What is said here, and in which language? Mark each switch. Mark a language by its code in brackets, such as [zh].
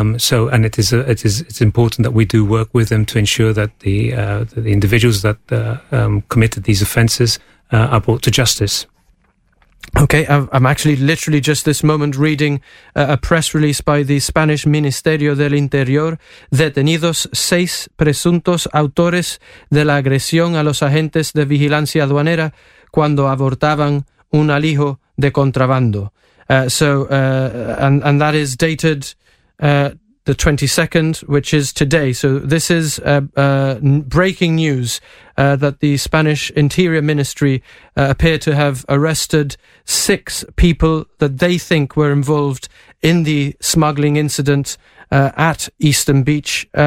[en] It's important that we do work with them to ensure that the individuals that committed these offences are brought to justice. Okay, I'm actually literally just this moment reading a press release by the Spanish Ministerio del Interior. [es] Detenidos seis presuntos autores de la agresión a los agentes de vigilancia aduanera cuando abortaban un alijo de contrabando. [en] So, and that is dated the 22nd, which is today. So this is breaking news that the Spanish Interior Ministry appear to have arrested six people that they think were involved in the smuggling incident at Eastern Beach.